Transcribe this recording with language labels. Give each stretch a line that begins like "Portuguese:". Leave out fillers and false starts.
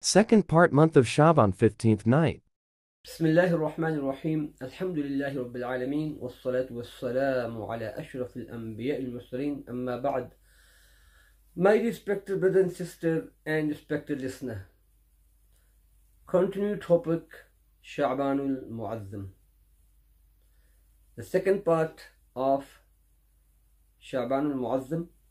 English: Second part, month of Shaban, 15th night.
Arabic: بسم الله الرحمن الرحيم. الحمد لله رب العالمين، والصلاة والسلام على أشرف الأنبياء المرسلين. أما بعد،
English: my respected brother and sister and respected listener, continue topic شعبان المعظم. The second part of شعبان المعظم.